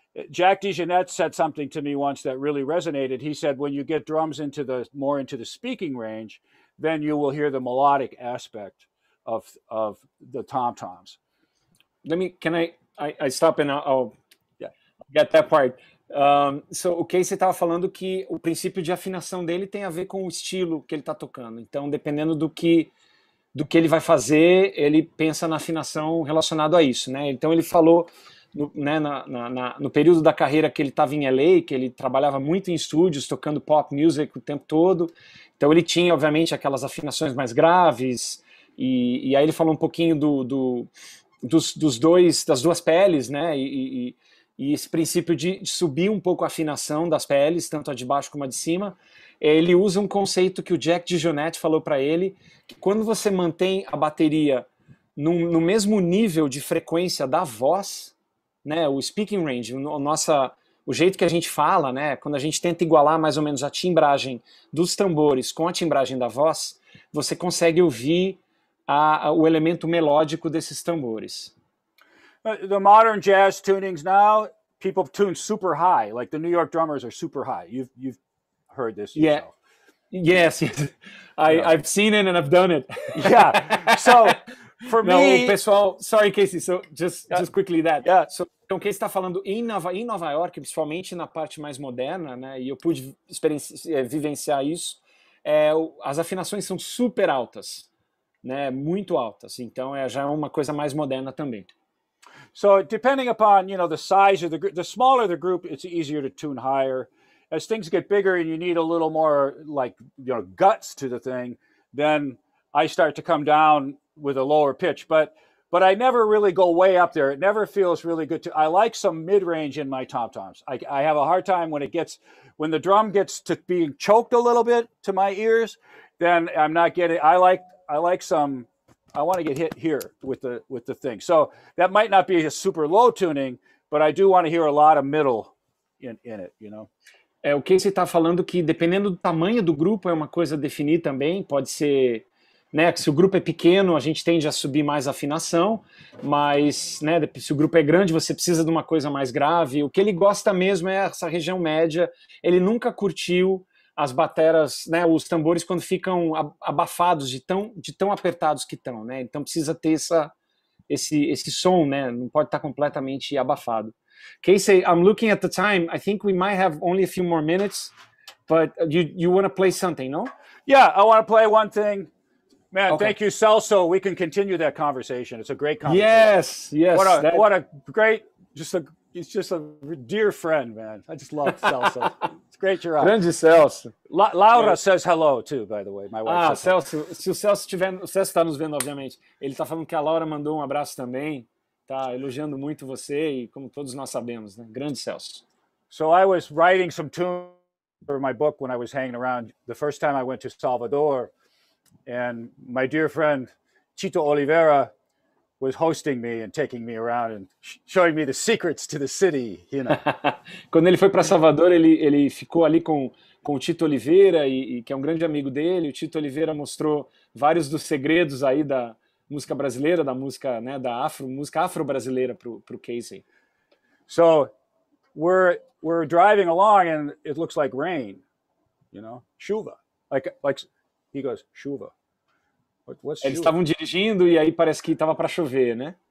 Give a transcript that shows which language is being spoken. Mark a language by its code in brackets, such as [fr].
[en] Jack DeJohnette said something to me once that really resonated. He said, when you get drums more into the speaking range, then you will hear the melodic aspect of the tom-toms. Can I stop and I'll get that part. [pt] O Casey estava falando que o princípio de afinação dele tem a ver com o estilo que ele está tocando. Então, dependendo do que ele vai fazer, ele pensa na afinação relacionada a isso, né? Então, ele falou no período da carreira que ele estava em LA, que ele trabalhava muito em estúdios, tocando pop music o tempo todo. Então, ele tinha, obviamente, aquelas afinações mais graves. E aí ele falou um pouquinho das duas peles, né? E esse princípio de subir um pouco a afinação das peles, tanto a de baixo como a de cima, ele usa um conceito que o Jack DeJohnette falou para ele, que quando você mantém a bateria no mesmo nível de frequência da voz, né, o speaking range, o jeito que a gente fala, né, quando a gente tenta igualar mais ou menos a timbragem dos tambores com a timbragem da voz, você consegue ouvir o elemento melódico desses tambores. [en] The modern jazz tunings now, people tune super high. Like the New York drummers are super high. You've heard this yourself. Yeah. Yes. I've seen it and I've done it. Yeah. So For me, [pt] não, pessoal, [en] sorry, Casey, so just quickly that. Yeah. [pt] So, então, Casey está falando em Nova York, principalmente na parte mais moderna, né? E eu pude vivenciar isso. É, as afinações são super altas, né? Muito altas. Então, já é uma coisa mais moderna também. [en] So, depending upon, you know, the size of the group, the smaller the group, it's easier to tune higher. As things get bigger and you need a little more, like, you know, guts to the thing, then I start to come down with a lower pitch. But I never really go way up there. It never feels really good. I like some mid-range in my tom-toms. I have a hard time when the drum gets to being choked a little bit to my ears, then I'm not getting, I want to get hit here with the thing. So that might not be a super low tuning, but I do want to hear a lot of middle in it, you know? [pt] É, o Casey está falando que dependendo do tamanho do grupo é uma coisa a definir também, pode ser, né, que se o grupo é pequeno a gente tende a subir mais afinação, mas, né, se o grupo é grande você precisa de uma coisa mais grave. O que ele gosta mesmo é essa região média. Ele nunca curtiu as bateras, né, os tambores quando ficam abafados de tão apertados que estão, né, então precisa ter esse som, né, não pode estar completamente abafado. [en] Casey, I'm looking at the time. I think we might have only a few more minutes, but you want to play something, no? Yeah, I want to play one thing. Man, okay. Thank you, Celso. We can continue that conversation. It's a great conversation. Yes, yes. He's just a dear friend, man. I just love Celso. It's great you're on. [pt] Grande Celso. [en] Laura says hello, too, by the way. My wife says Celso. [pt] Se o Celso está nos vendo, obviamente, ele está falando que a Laura mandou um abraço também. Tá elogiando muito você e como todos nós sabemos, né? Grande Celso. [en] So I was writing some tunes for my book when I was hanging around the first time I went to Salvador, and my dear friend Chito Oliveira was hosting me and taking me around and showing me the secrets to the city, you know. [pt] Quando ele foi para Salvador, ele ficou ali com o Chito Oliveira e que é um grande amigo dele. O Chito Oliveira mostrou vários dos segredos aí da música brasileira, da música, né, da afro, música afro-brasileira pro Casey. [en] So, we're driving along and it looks like rain, you know, chuva. Like he goes, chuva. What's chuva? [pt] Eles estavam dirigindo e aí parece que estava para chover, né?